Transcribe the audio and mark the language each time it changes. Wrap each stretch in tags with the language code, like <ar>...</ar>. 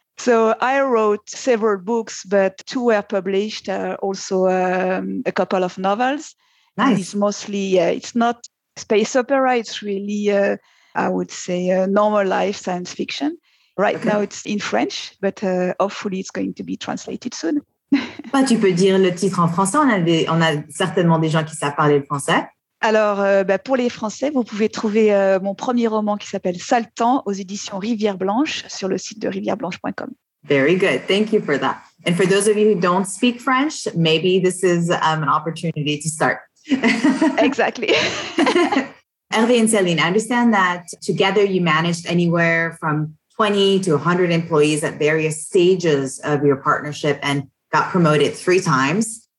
<en>So I wrote several books, but two were published, also a couple of novels. Nice. And it's mostly, it's not space opera. It's really, I would say, a normal life science fiction. Right. Okay. Now it's in French, but hopefully it's going to be translated soon.</en> <fr>Bah, tu peux dire le titre en français. On a certainement des gens qui savent parler le français. Alors, pour les Français, vous pouvez trouver mon premier roman qui s'appelle « Sale temps » aux éditions Rivière Blanche sur le site de rivièreblanche.com.</fr> <en>Very good. Thank you for that. And for those of you who don't speak French, maybe this is an opportunity to start. Exactly. Hervé and Céline, I understand that together you managed anywhere from 20 to 100 employees at various stages of your partnership and got promoted 3 times.</en>